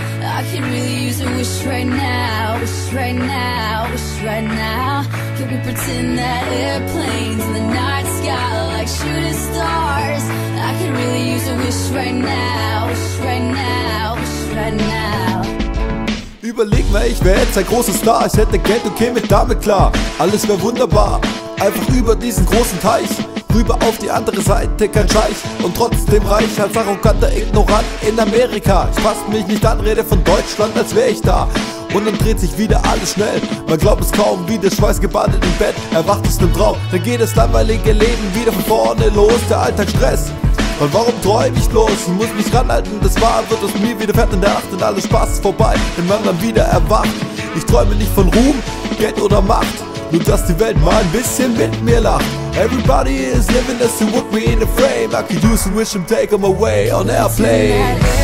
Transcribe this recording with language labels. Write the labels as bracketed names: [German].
[English] I could really use a wish right now, wish right now, wish right now. Can we pretend that airplanes in the night sky are like shooting stars? I could really use a wish right now, wish right now, wish right now. [German] Überleg mal, ich wäre jetzt ein großer Star. Ich hätte Geld und käme damit klar. Alles wäre wunderbar. Einfach über diesen großen Teich, rüber auf die andere Seite, kein Scheich. Und trotzdem reich als arroganter Ignorant in Amerika. Ich fasse mich nicht an, rede von Deutschland, als wäre ich da. Und dann dreht sich wieder alles schnell. Man glaubt es kaum, wie der Schweiß gebadet im Bett. Erwacht aus dem Traum, dann geht das langweilige Leben wieder von vorne los. Der Alltag Stress. Und warum träum ich bloß? Ich muss mich ranhalten, das Wahr wird aus mir wieder fährt in der Nacht. Und alles Spaß ist vorbei, wenn man dann wieder erwacht. Ich träume nicht von Ruhm, Geld oder Macht, nur dass die Welt mal ein bisschen mit mir lacht. [English] Everybody is living as it would be in a frame. I could use a wish and take them away on airplane.